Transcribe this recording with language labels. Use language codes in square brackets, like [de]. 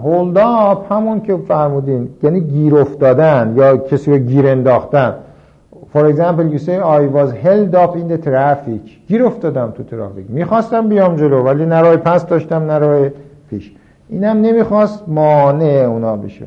[fa] Hold up همون که فرمودین، یعنی گیر افتادن یا کسی رو گیر انداختن. [en] For example, you say I was held up in the traffic. [fa] گیر افتادم تو ترافیک. میخواستم بیام جلو ولی نه راه پس داشتم نه راه پیش. اینم نمیخواست مانع اونا بشه.